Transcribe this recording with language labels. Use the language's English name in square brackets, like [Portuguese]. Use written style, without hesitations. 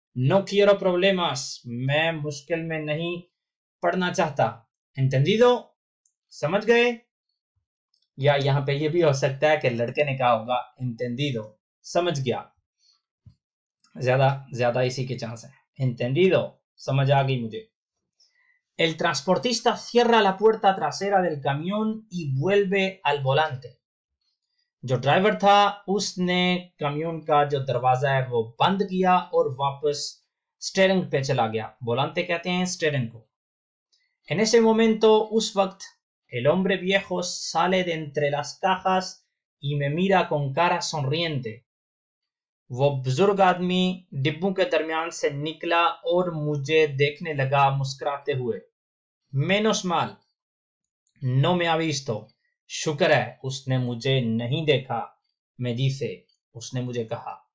[Spanish] No quiero problemas, [Hindi] मैं मुश्किल में नहीं पढ़ना चाहता। Entendido, समझ गए। या यहाँ पे ये भी हो सकता है कि लड़के ने कहा होगा Entendido, समझ गया। ज्यादा ज्यादा इसी के चांस है। Entendido, समझ आ गई मुझे। [Spanish] El transportista cierra la puerta trasera del camión y vuelve al volante. [Hindi] जो ड्राइवर था उसने कमियों का जो दरवाजा है वो बंद किया और वापस स्टेरिंग पे चला गया। बोलांते कहते हैं स्टेरिंग को। [Spanish] En ese momento, [Hindi] उस वक्त, [Spanish] el hombre viejo sale de entre las cajas y me mira con cara sonriente. [Hindi] वो बुजुर्ग आदमी डिब्बों के दरमियान से निकला और मुझे देखने लगा मुस्कुराते हुए। [Spanish] Menos mal, no me ha visto. [Hindi] शुक्र है उसने मुझे नहीं देखा। मैं जी से उसने मुझे कहा।